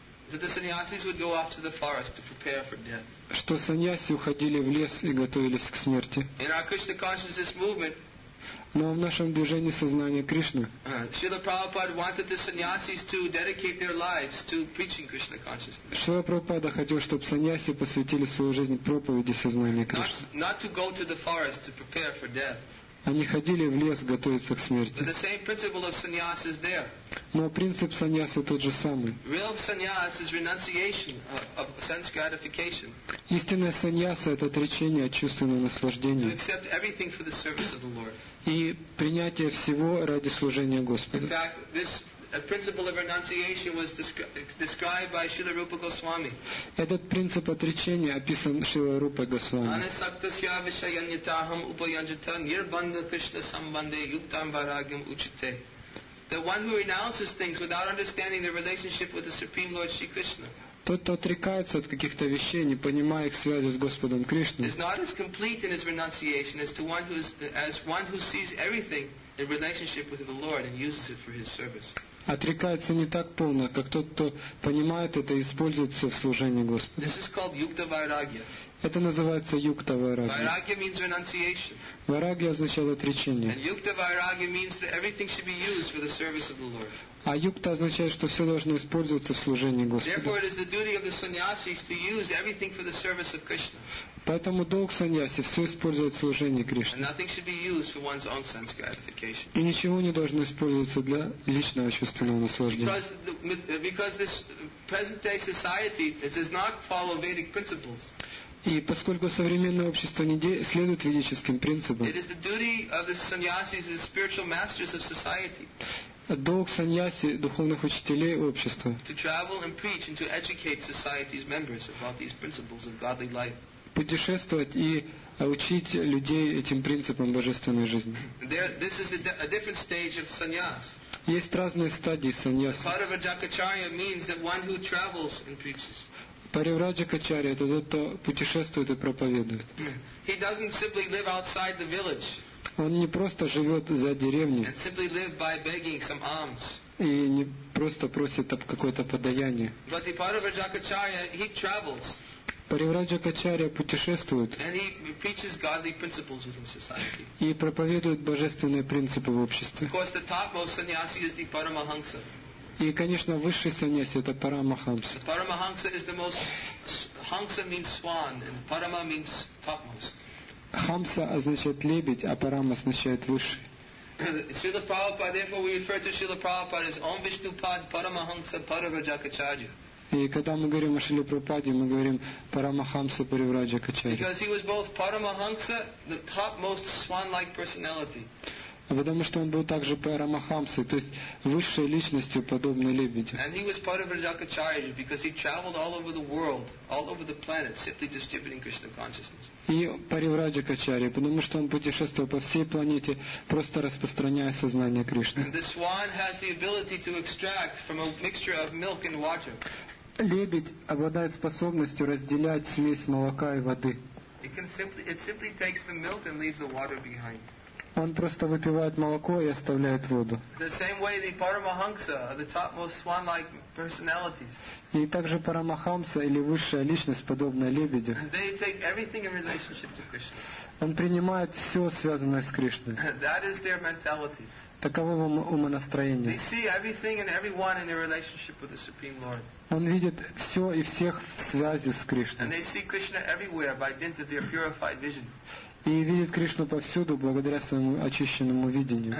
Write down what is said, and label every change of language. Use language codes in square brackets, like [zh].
[en] that the sannyasis would go off to the forest to prepare for death. [ru] Что саньяси уходили в лес и готовились к смерти. [en] In our Krishna consciousness movement, [ru] но в нашем движении сознания Кришны, [en] Srila Prabhupada wanted the sannyasis to dedicate their lives to preaching Krishna consciousness. [ru] Srila Prabhupada хотел, чтобы саньяси посвятили свою жизнь проповеди сознания Кришны. [en] Not to go to the forest to prepare for death. [ru] Они ходили в лес готовиться к смерти. [en] The same principle of sannyas is there. [ru] Но принцип саньяса тот же самый. [en] Real sannyas is renunciation of sense gratification. [ru] Истинное саньяса – это отречение от чувственного наслаждения. [en] To accept everything for the service of the Lord. [ru] И принятие всего ради служения Господа. [en] In fact, this a principle of renunciation was described by Śrīla Rūpa Gosvāmī. [ru] Этот принцип отречения описан Шрила Рупа Госвами. [sa] Анасактасья вишаяньятахам упаянджита нирбанда кришна самбанде юктам варагим учите. [en] The one who renounces things without understanding the relationship with the Supreme Lord Shri Krishna. [ru] Тот, кто отрекается от каких-то вещей, не понимая их связи с Господом Кришной. [en] Is not as complete in his renunciation as to one who is, as one who sees everything in relationship with the Lord and uses it for his service. [ru] Отрекается не так полно, как тот, кто понимает это и использует все в служении Господу. [en] This is called yukta vairagya. [ru] Это называется юкта вайрагья. [en] Vairagya means renunciation. [ru] Vairagya означает отречение. [en] And yukta vairagya means that everything should be used for the service of the Lord. [ru] А юкта означает, что все должно использоваться в служении Господу. [en] Therefore, it is the duty of the sannyasis to use everything for the service of Krishna. [ru] Поэтому долг саньяси все использовать в служении Кришне. [en] And nothing should be used for one's own sense gratification. [ru] И ничего не должно использоваться для личного чувственного наслаждения. [en] Because this present-day society it does not follow Vedic principles. [ru] И поскольку современное общество не следует ведическим принципам, [en] it is the duty of the sannyasis, the spiritual masters of society. [ru] Долг саньяси, духовных учителей общества. [en] To travel and preach and to educate society's members about these principles of godly life. [ru] Путешествовать и учить людей этим принципам божественной жизни. [en] This is a different stage of sannyas. [ru] Есть разные стадии саньяса. [en] Paravrajakacharya means that one who travels and preaches. [ru] Paravrajakacharya — это тот, кто путешествует и проповедует. [en] He doesn't simply live outside the village. [ru] Он не просто живет за деревней. [en] And simply live by begging some alms. [ru] И не просто просит об какое-то подаяние. [en] But the Paravrajakacharya, he travels. [ru] Paravrajakacharya путешествует. [en] And he preaches godly principles within society. [ru] И проповедует божественные принципы в обществе. [en] Of course, the top of sannyasi is the Paramahamsa. [ru] И, конечно, высший саньяси — это Парамахамса. [en] The Paramahamsa is the most... Hamsa means swan, and Parama means topmost. [ru] Хамса означает лебедь, а Парама означает высший. [en] Śrīla Prabhupāda, therefore we refer to Śrīla Prabhupāda as Om Viṣṇupāda Paramahamsa Paravrajakacharya. [ru] И когда мы говорим о Śrīla Prabhupāda, мы говорим Парамахамса Паравраджакачарья. [en] Because he was both Paramahamsa, the topmost swan-like personality. [ru] Потому что он был также Парамахамсой, то есть высшей личностью, подобной лебедю. [en] And he was Paravrajakacharya because he traveled all over the world, all over the planet, simply distributing Krishna consciousness. [ru] И Паравраджакачарья, потому что он путешествовал по всей планете, просто распространяя сознание Кришны. [en] And the swan has the ability to extract from a mixture of milk and water. [ru] Лебедь обладает способностью разделять смесь молока и воды. [en] It simply takes the milk and leaves the water behind. [ru] Он просто выпивает молоко и оставляет воду. [en] The same way the Paramahamsa, the topmost swan-like personalities. [ru] И также Парамахамса или высшая личность, подобная лебедю. [en] They take everything in relationship to Krishna. [ru] Он принимает все, связанное с Кришной. [en] That is their mentality. [ru] Таково умонастроение. [en] They see everything and everyone in their relationship with the Supreme Lord. [ru] Он видит все и всех в связи с Кришной. [en] And they see Krishna everywhere by dint of their purified vision. [ru] И видит Кришну повсюду благодаря своему очищенному видению.